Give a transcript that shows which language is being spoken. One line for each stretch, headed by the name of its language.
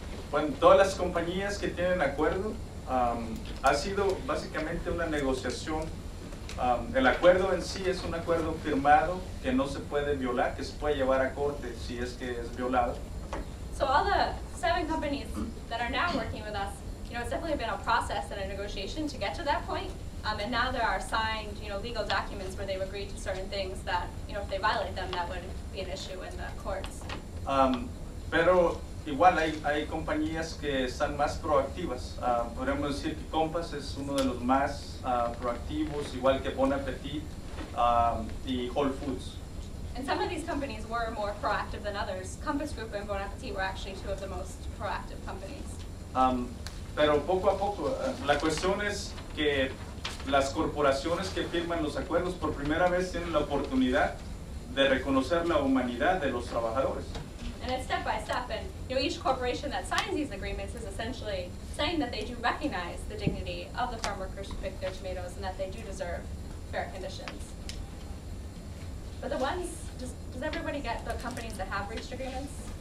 Spanish: Bueno, todas las compañías que tienen acuerdo, ha sido básicamente una negociación. El acuerdo en sí es un acuerdo firmado que no se puede violar, que se puede llevar a corte si es que es violado.
English: So all the seven companies that are now working with us, you know, it's definitely been a process and a negotiation to get to that point. And now there are signed, you know, legal documents where they've agreed to certain things that, you know, if they violate them, that would be an issue in the courts.
Spanish: Pero igual hay compañías que están más proactivas. Podríamos decir que Compass es uno de los más proactivos, igual que Bon Appetit y Whole Foods.
English: And some of these companies were more proactive than others. Compass Group and Bon Appetit were actually two of the most proactive companies.
Spanish: Pero poco a poco, la cuestión es que las corporaciones que firman los acuerdos por primera vez tienen la oportunidad de reconocer la humanidad de los trabajadores.
English: And it's step by step, and you know, each corporation that signs these agreements is essentially saying that they do recognize the dignity of the farm workers who pick their tomatoes and that they do deserve fair conditions. But the ones, does everybody get the companies that have reached agreements?